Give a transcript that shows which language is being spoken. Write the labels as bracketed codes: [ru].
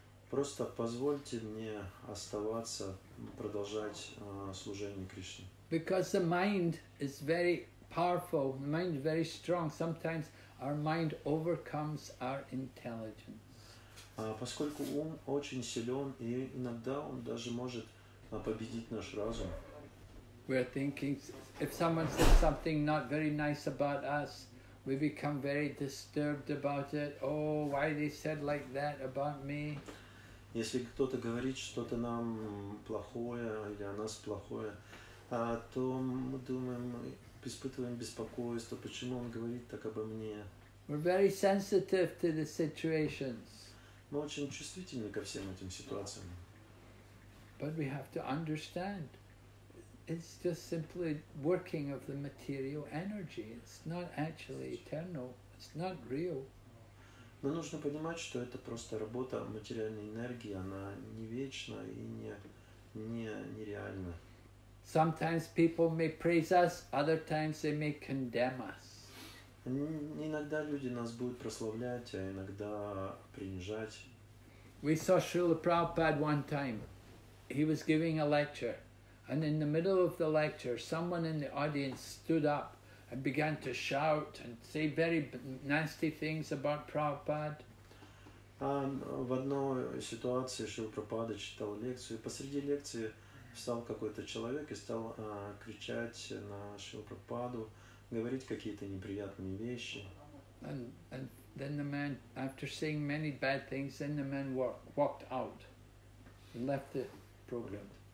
[ru] Просто позвольте мне оставаться, продолжать служение Кришне. [en] Because the mind is very powerful, the mind is very strong. Sometimes our mind overcomes our intelligence. [ru] Поскольку ум очень силен, и иногда он даже может победить наш разум. [en] We are thinking, if someone says something not very nice about us, we become very disturbed about it. Oh, why they said like that about me? [ru] Если кто-то говорит что-то нам плохое или о нас плохое, то мы думаем, мы испытываем беспокойство, почему он говорит так обо мне. [en] We're very sensitive to the situations. [ru] Мы очень чувствительны ко всем этим ситуациям. [en] But we have to understand. It's just simply working of the material energy. It's not actually eternal. It's not real. [ru] Но нужно понимать, что это просто работа материальной энергии. Она не вечна и нереальна. [en] Sometimes people may praise us, other times they may condemn us. [ru] Иногда люди нас будут прославлять, а иногда принижать. [en] We saw Srila Prabhupada one time. He was giving a lecture. And in the middle of the lecture, someone in the audience stood up and began to shout and say very nasty things about Prabhupada. [ru] В одной ситуации Шрила Прабхупада читал лекцию, и посреди лекции встал какой-то человек и стал кричать на Шрилу Прабхупаду, говорить какие-то неприятные вещи. [en] And then the man, after saying many bad things, then the man walked out and left the program.